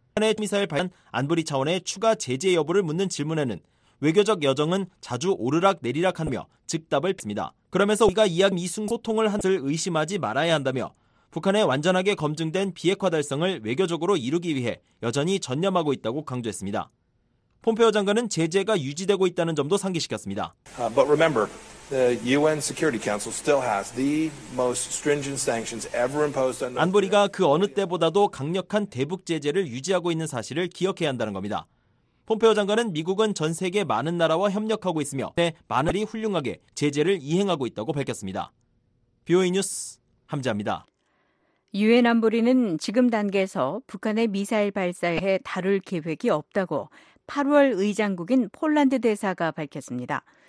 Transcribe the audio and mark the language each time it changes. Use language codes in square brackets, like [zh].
[ko] 북한의 미사일 발사 안보리 차원의 추가 제재 여부를 묻는 질문에는 외교적 여정은 자주 오르락내리락하며 즉답을 했습니다. 그러면서 우리가 이학 미순 소통을 한 것을 의심하지 말아야 한다며 북한의 완전하게 검증된 비핵화 달성을 외교적으로 이루기 위해 여전히 전념하고 있다고 강조했습니다. 폼페오 장관은 제재가 유지되고 있다는 점도 상기시켰습니다. [en] But remember, the UN Security Council still has the most stringent sanctions ever imposed on [ko] 안보리가 그 어느 때보다도 강력한 대북 제재를 유지하고 있는 사실을 기억해야 한다는 겁니다. 폼페오 장관은 미국은 전 세계 많은 나라와 협력하고 있으며 많은 나라가 훌륭하게 제재를 이행하고 있다고 밝혔습니다. BOA 뉴스 함재입니다. 유엔 안보리는 지금 단계에서 북한의 미사일 발사에 다룰 계획이 없다고 8월 의장국인 폴란드 대사가 밝혔습니다.